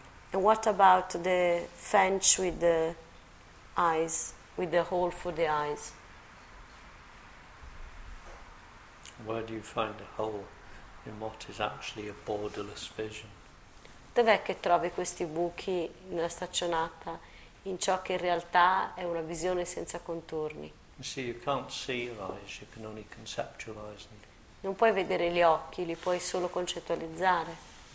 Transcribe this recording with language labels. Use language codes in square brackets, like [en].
[en] And what about the fence with the eyes, with the hole for the eyes? Where do you find a hole in what is actually a borderless vision? [it] Dov'è che trovi questi buchi nella staccionata in ciò che in realtà è una visione senza contorni? [en] You see, you can't see your eyes, you can only conceptualize them. [it] Non puoi vedere gli occhi, li puoi solo concettualizzare.